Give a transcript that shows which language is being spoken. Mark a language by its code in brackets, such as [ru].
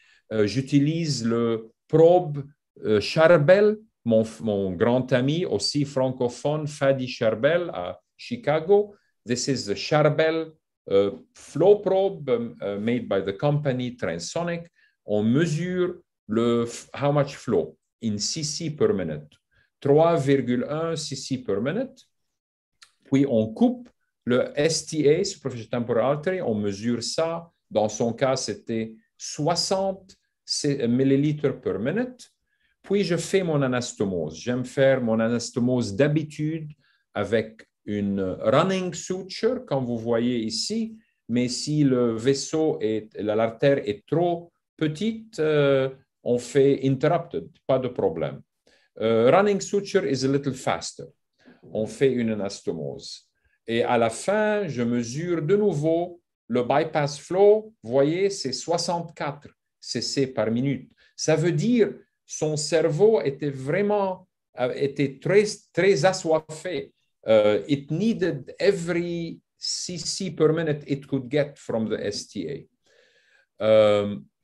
[fr] J'utilise le probe Charbel, mon grand ami aussi francophone, Fadi Charbel à Chicago. [en] This is the Charbel flow probe made by the company Transonic. [fr] On mesure [en] how much flow in cc per minute, 3,1 cc per minute. [fr] Puis on coupe le STA, [en] superficial temporal artery, [fr] on mesure ça. Dans son cas, c'était 60 millilitres [en] per minute. [fr] Puis je fais mon anastomose. J'aime faire mon anastomose d'habitude avec une running suture, comme vous voyez ici. Mais si le vaisseau et l'artère est trop petite, on fait interrupted, pas de problème. [en] Running suture is a little faster. [fr] On fait une anastomose. Et à la fin, je mesure de nouveau le bypass flow. Vous voyez, c'est 64 cc par minute. Ça veut dire son cerveau était très, très assoiffé. [en] It needed every cc per minute it could get from the STA.